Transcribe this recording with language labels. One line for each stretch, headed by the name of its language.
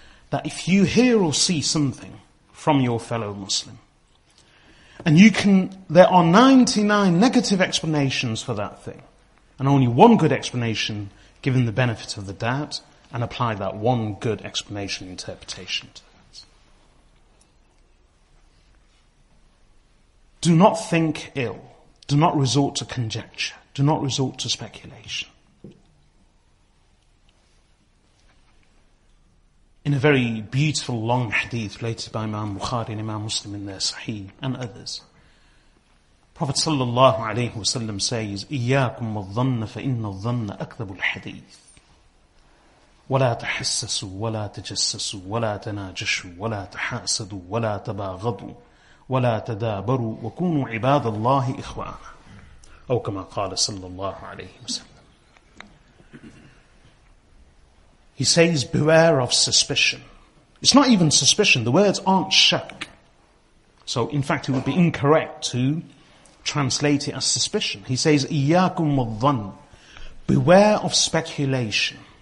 English: That if you hear or see something from your fellow Muslim, and you can, there are 99 negative explanations for that thing, and only one good explanation, given the benefit of the doubt, and apply that one good explanation interpretation to it. Do not think ill. Do not resort to conjecture. Do not resort to speculation. In a very beautiful long hadith related by Imam Bukhari and Imam Muslim in their Sahih and others, Prophet sallallahu alayhi wa sallam says,
Arabic: إِيَّاكُمْ وَالظَّنَّ فَإِنَّ الظَّنَّ أَكْذَبُ الْحَدِيثِ وَلَا تَحَسَّسُوا وَلَا تَجَسَّسُوا وَلَا تَنَاجَشُوا وَلَا تَحَاسَدُوا وَلَا تَبَاغَضُوا وَلَا تَدَابَرُوا وَكُونُوا عِبَادَ اللَّهِ إِخْوَانًا أو كما قال صلى الله عليه وسلم.
English: He says, beware of suspicion. It's not even suspicion, the words aren't shak. So in fact it would be incorrect to translate it as suspicion. He says,
Arabic: إِيَّاكُمْ وَالظَّنِّ,
English: beware of speculation.